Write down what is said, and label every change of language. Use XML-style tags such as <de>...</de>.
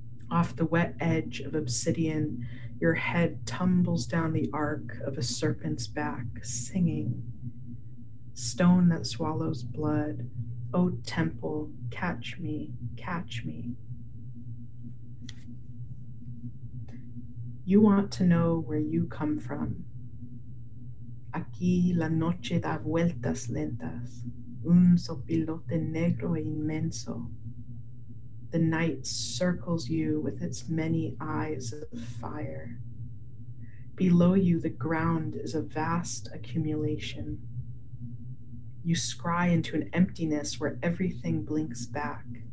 <en>Off the wet edge of obsidian, your head tumbles down the arc of a serpent's back, singing. Stone that swallows blood, O temple, catch me, catch me. You want to know where you come from.</en> <es>Aquí la noche da vueltas lentas, un sopilote negro e inmenso.</es> <en>The night circles you with its many eyes of fire. Below you, the ground is a vast accumulation. You scry into an emptiness where everything blinks back.</en>